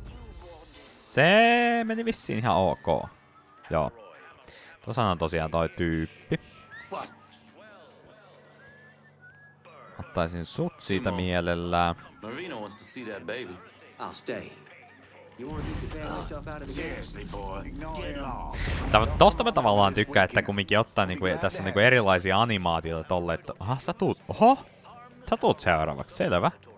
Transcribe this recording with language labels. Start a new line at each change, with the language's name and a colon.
Finnish: Se meni vissiin ihan ok. Joo. Tuossa on tosiaan toi tyyppi. Ottaisin sut siitä mielellään.
English: Marina wants to see that baby. I'll stay. You want to get yourself out of the game?
Finnish: Tosta mä tavallaan tykkään, että kumminkin ottaa niinku, tässä niinku erilaisia animaatioita tolle, että aha, sä tuut. Oho! Sä tuut seuraavaksi, selvä.